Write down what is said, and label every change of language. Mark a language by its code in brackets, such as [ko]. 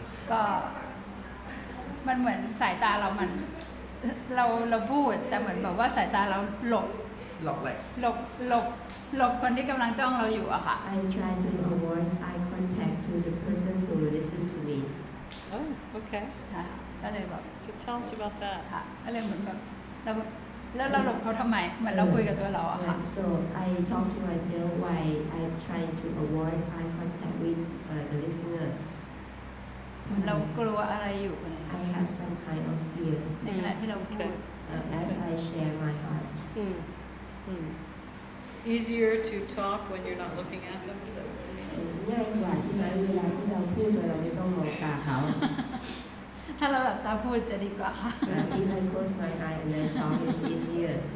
[th] ก็มันเหมือนสายตาเรามันเราพูดแต่เหมือนแบบว่าสายตาเราหลบคนที่กำลังจ้องเราอยู่อะค่ะ [en] I try to avoid eye contact to the person who listen to me Oh okay [th] ค่ะก็เลยแบบ [en] To tell us about that [th] ค่ะก็เลยเหมือนแบบแล้วเราหลบเขาทำไมเหมือนเราคุยกับตัวเราอะค่ะ [en] So I talk to myself why I try to avoid eye contact with the listener [th] เรากลัวอะไรอยู่ [en] I have some kind of fear [th] ในขณะที่เราพูด [en] As I share my heart Easier to talk when you're not looking at them is that what you mean? [th] ง่ายกว่าใช่ไหมเวลาที่เราพูดเราไม่ต้องมองตาเขา ถ้าเราหลับตาพูดจะดีกว่าค่ะ [en] If I close my eye and then talk is easier